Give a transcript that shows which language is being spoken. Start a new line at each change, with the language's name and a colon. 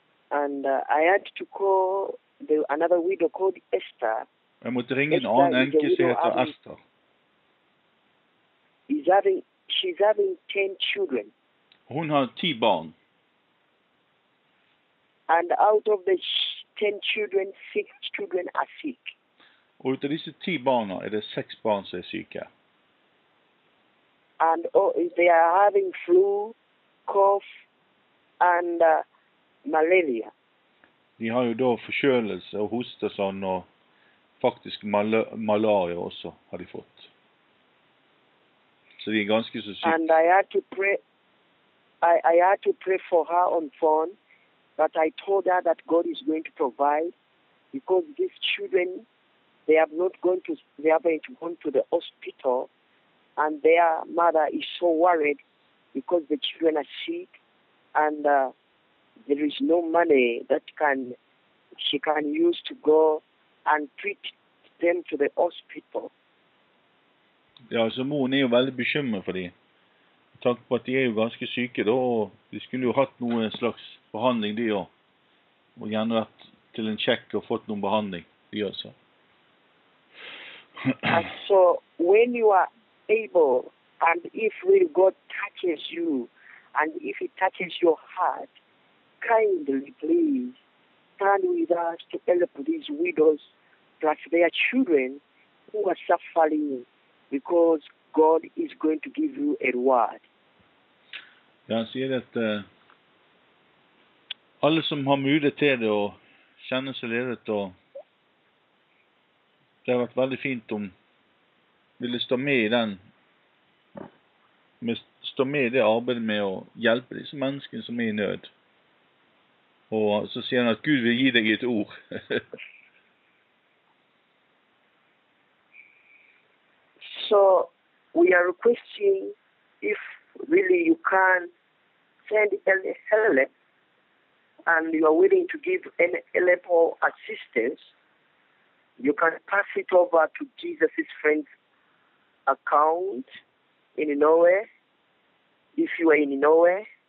English: And I had to call another widow called Esther.
Norwegian: Jeg måtte ringe en annen enke som heter Esther.
English: She's having 10 children.
Norwegian: Hun har 10 barn.
English: And out of the 10 children, 6 children are sick.
Norwegian: Og ut av disse 10 barna er det 6 barn som er syke.
English: And they are having flu, cough, and malaria.
Norwegian: De har jo da forkjølelse og hoste sånn, og faktisk malaria også har de fått. Så de er ganske så syke.
English: And I had to pray for her on phone, but I told her that God is going to provide, because these children, they haven't gone to the hospital, and their mother is so worried, because the children are sick, and there is no money that she can use to go and treat them to the hospital.
Norwegian: Ja, så moren er jo veldig bekymret for dem. I tanke på at de er jo ganske syke da, og de skulle jo hatt noen slags behandling de også. Og gjerne vært til en sjekk og fått noen behandling de også.
English: So, when you are able, and if really God touches you, and if it touches your heart, kindly, please, stand with us to help these widows, plus their children, who are suffering, because God is going to give you a reward.
Norwegian: Ja, han sier at alle som har mulighet til det, og kjenner seg ledet, og det har vært veldig fint om ville stå med i den, stå med i det arbeidet med å hjelpe disse menneskene som er i nød. Og så sier han at Gud vil gi deg et ord.
English: So, we are requesting, if really you can send any help, and you are willing to give any help or assistance, you can pass it over to Jesus' friend's account in Norway. If you are in Norway,